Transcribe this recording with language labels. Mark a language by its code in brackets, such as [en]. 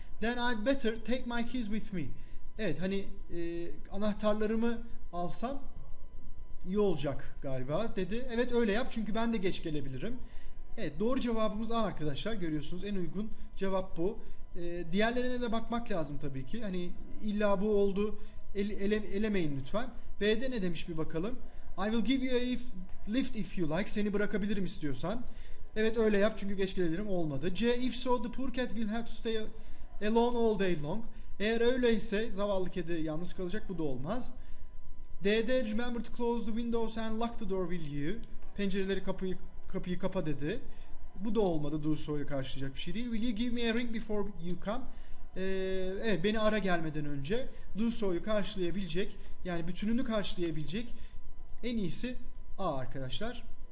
[en] Then I'd better take my keys with me. [tr] Evet hani anahtarlarımı alsam iyi olacak galiba dedi. Evet öyle yap çünkü ben de geç gelebilirim. Evet doğru cevabımız A arkadaşlar görüyorsunuz en uygun cevap bu. Diğerlerine de bakmak lazım tabii ki. Hani illa bu oldu elemeyin lütfen. B'de ne demiş bir bakalım. [en] I will give you a lift if you like. [tr] Seni bırakabilirim istiyorsan. Evet öyle yap çünkü geç gelebilirim olmadı. C. [en] If so the poor cat will have to stay alone all day long. [tr] Eğer öyleyse zavallı kedi yalnız kalacak bu da olmaz. [en] D'de remember to close the windows and lock the door will you? [tr] Pencereleri kapıyı kapa dedi. Bu da olmadı. Do so'ya karşılayacak bir şey değil. [en] Will you give me a ring before you come? [tr] Evet beni ara gelmeden önce do so'yu karşılayabilecek yani bütününü karşılayabilecek en iyisi A arkadaşlar.